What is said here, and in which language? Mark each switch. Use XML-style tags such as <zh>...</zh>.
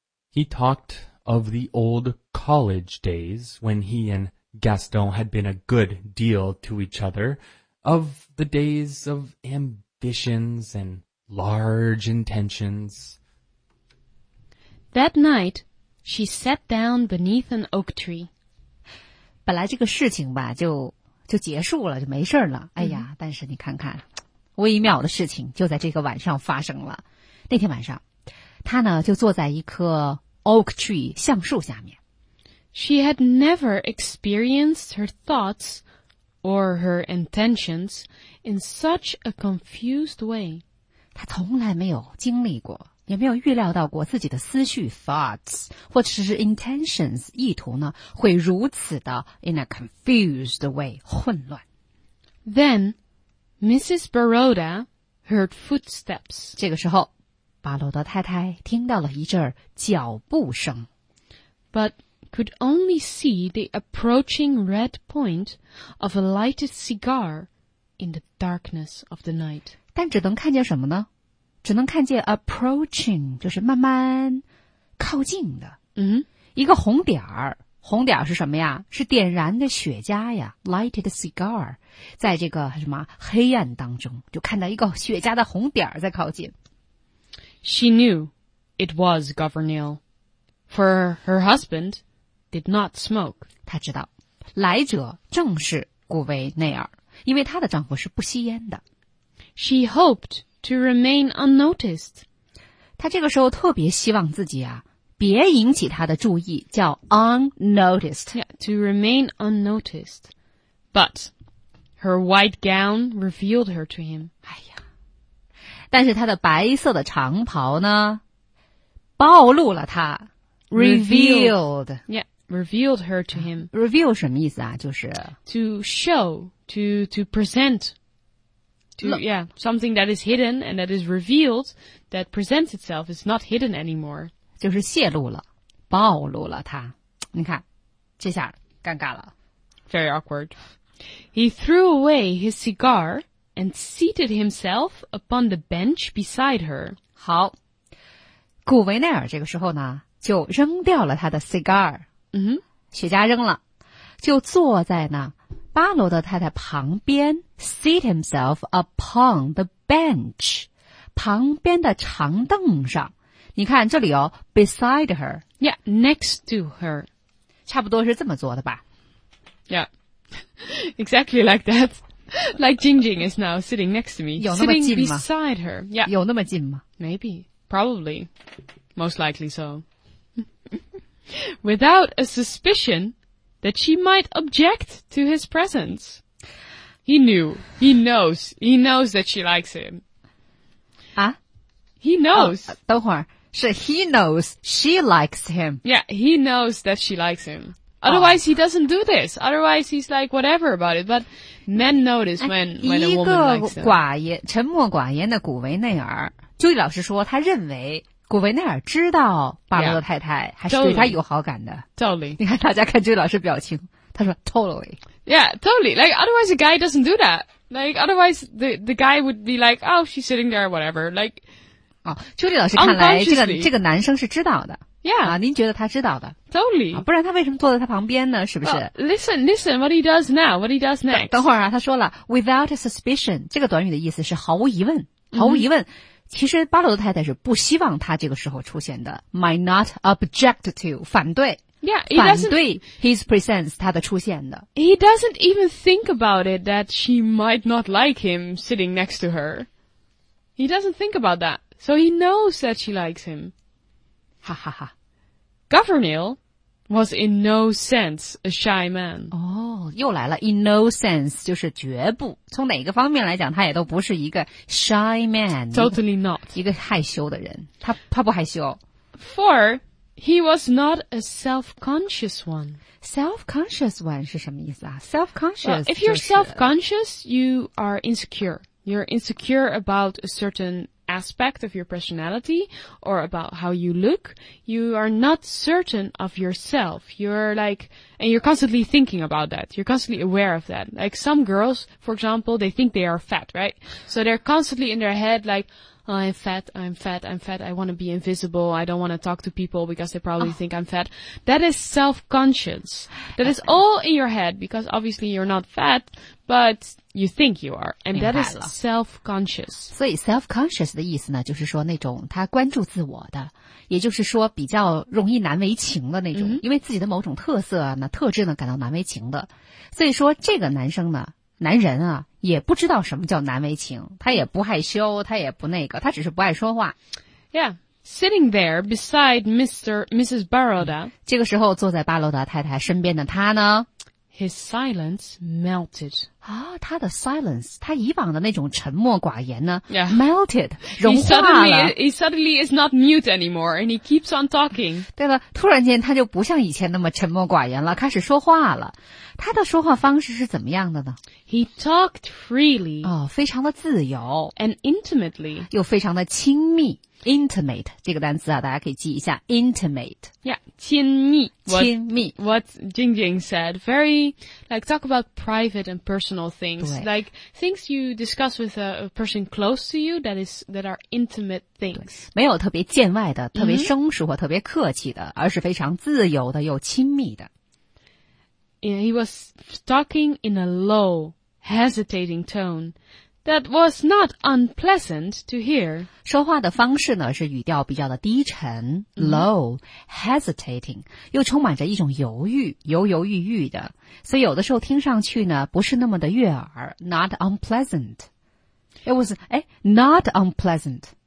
<en>He talked of the old college days when he and Gaston had been a good deal to each other, of the days of ambitions and large intentions. That night, she sat down beneath an oak tree.</en> <zh>本来这个事情吧，就结束了，就没事了。哎呀，但是你看看，微妙的事情就在这个晚上发生了。那天晚上，她呢就坐在一棵</zh> <en>oak tree</en> <zh>橡树下面。</zh> <en>She had never experienced her thoughts or her intentions in such a confused way.</en> <zh>她从来没有经历过。也没有预料到过自己的思绪 thoughts 或者是 intentions 意图呢会如此的</zh> <en>in a confused way</en> <zh>混乱。</zh> <en>Then, Mrs. Baroda heard footsteps.</en> <zh>这个时候，巴罗德太太听到了一阵脚步声。</zh> <en>But could only see the approaching red point of a lighted cigar in the darkness of the night.</en> <zh>但只能看见什么呢？只能看见 approaching， 就是慢慢靠近的。一个红点儿，红点儿是什么呀？是点燃的雪茄呀 ，</zh> <en>lighted cigar，</en> <zh>在这个什么黑暗当中，就看到一个雪茄的红点儿在靠近。</zh> <en>She knew it was Governor, for her husband did not smoke.</en> <zh>她知道，来者正是古维内尔，因为她的丈夫是不吸烟的。</zh> <en>She hoped. To remain unnoticed.</en> <zh>他这个时候特别希望自己啊，别引起他的注意，叫 unnoticed.</zh> <en>Yeah, to remain unnoticed. But her white gown revealed her to him.</en> <zh>哎呀，但是他的白色的长袍呢，暴露了他。</zh> <en>Revealed. Yeah, revealed her to him.</en> <zh>Reveal 什么意思啊？就是</zh> <en>To show, to present. Something that is hidden and that is revealed, that presents itself, is not hidden anymore.</en> <zh>就是泄露了，暴露了他。你看，这下尴尬了。</zh> <en>very awkward. He threw away his cigar and seated himself upon the bench beside her.</en> <zh>好，古维奈尔这个时候呢，就扔掉了他的 cigar。嗯，雪茄扔了，就坐在呢巴罗的太太旁边 ，</zh> <en>seat himself upon the bench，</en> <zh>旁边的长凳上。你看这里哦 ，</zh> <en>beside her， yeah， next to her，</en> <zh>差不多是这么做的吧</zh> <en>？Yeah， exactly like that， like Jingjing is now sitting next to me，</en> <zh>有那么近吗</zh> <en>？Sitting beside her， yeah，</en> <zh>有那么近吗</zh> <en>？Maybe， probably， most likely so， without a suspicion。 That she might object to his presence. He knew. He knows. He knows that she likes him. 啊? He knows.</en> <zh>等会儿。是</zh> <en>he knows she likes him. Yeah, he knows that she likes him. Otherwise, he doesn't do this. Otherwise, he's like whatever about it. But men notice when a woman likes him.</en> <zh>一个寡言，沉默寡言的古维内尔。朱莉老师说，他认为古维内尔知道巴罗的太太还是对他有好感的。</zh> <en>Totally.</en> <zh>你看大家看这位老师表情，他说 totally.</zh> <en>Yeah, totally. Like, otherwise a guy doesn't do that. Like, otherwise the guy would be like, oh, she's sitting there, whatever. Like,</en> <zh>哦，朱莉老师看来这个男生是知道的。</zh> <en>Yeah.</en> <zh>啊，您觉得他知道的。</zh> <en>Totally.</en> <zh>啊，不然他为什么坐在他旁边呢？是不是？</zh> <en>Listen, what he does now, what he does next.</en> <zh>等会儿啊，他说了</zh> <en>without a suspicion,</en> <zh>这个短语的意思是毫无疑问，毫无疑问。 Mm-hmm. 其实巴罗的太太是不希望他这个时候出现的</zh> <en>might not object to</en> <zh>反对</zh> <en>yeah,</en> <zh>反对</zh> <en>his presence</en> <zh>他的出现的</zh> <en>he doesn't even think about it that she might not like him sitting next to her he doesn't think about that so he knows that she likes him 哈哈哈 Gavernil was in no sense a shy man</en> <zh>哦、oh, 又来了</zh> <en>in no sense</en> <zh>就是绝不从哪个方面来讲他也都不是一个</zh> <en>shy man totally not</en> <zh>一个害羞的人他不害羞</zh> <en>for he was not a self-conscious one</en> <zh>self-conscious one 是什么意思啊 self-conscious、</zh> <en>well, if you're self-conscious you are insecure you're insecure about a certainaspect of your personality or about how you look you are not certain of yourself you're like and you're constantly thinking about that you're constantly aware of that like some girls for example they think they are fat right so they're constantly in their head like oh, I'm fat I want to be invisible I don't want to talk to people because they probably think I'm fat that is self-conscious that is all in your head because obviously you're not fat but you think you are and that is self-conscious</en> <zh>所以 self-conscious 的意思呢就是说那种他关注自我的也就是说比较容易难为情的那种、mm-hmm. 因为自己的某种特色呢特质呢感到难为情的所以说这个男生呢男人啊也不知道什么叫难为情他也不害羞他也不那个他只是不爱说话</zh> <en>Yeah, sitting there beside Mrs. Baroda</en> <zh>这个时候坐在巴罗达太太身边的他呢</zh> <en>His silence melted</en> <zh>啊，他的 silence 他以往的那种沉默寡言呢、</zh> <en>yeah.</en> <zh>melted 融化了</zh> <en>he suddenly is not mute anymore and he keeps on talking</en> <zh>对了突然间他就不像以前那么沉默寡言了开始说话了他的说话方式是怎么样的呢</zh> <en>He talked freely</en> <zh>哦，非常的自由</zh> <en>And intimately</en> <zh>又非常的亲密 Intimate 这个单词啊，大家可以记一下 Intimate Yeah, 亲密亲密</zh> <en>What Jingjing said Very Like talk about private and personal things Like things you discuss with a person close to you That are intimate things</en> <zh>没有特别见外的特别生疏或特别客气的、mm-hmm. 而是非常自由的又亲密的</zh> <en>Yeah, he was talking in a low, hesitating tone that was not unpleasant to hear.</en> <zh>说话的方式呢是语调比较的低沉</zh> <en>low, hesitating,</en> <zh>又充满着一种犹豫犹犹豫豫的。所以有的时候听上去呢不是那么的悦耳</zh> <en>not unpleasant. It was, not unpleasant.</en>